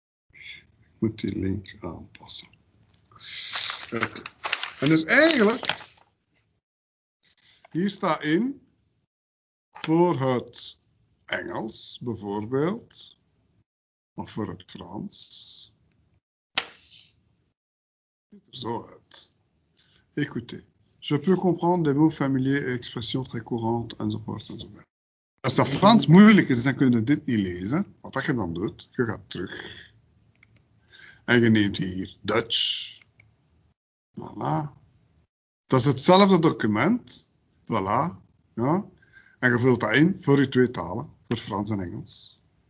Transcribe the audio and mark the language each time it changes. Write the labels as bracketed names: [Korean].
[Dutch] Ik moet die link aanpassen. Okay. En dus eigenlijk, hier staat in voor het Engels bijvoorbeeld, of voor het Frans. Zo uit. [French] Écoutez, je peux comprendre des mots familiers et expressions très courantes, [Dutch] enzovoort, enzovoort. Als dat Frans moeilijk is, dan kun je dit niet lezen. Wat je dan doet, je gaat terug. En je neemt hier Dutch. Voilà. Dat is hetzelfde document. Voilà. Ja. En je vult dat in voor je twee talen, voor Frans en Engels.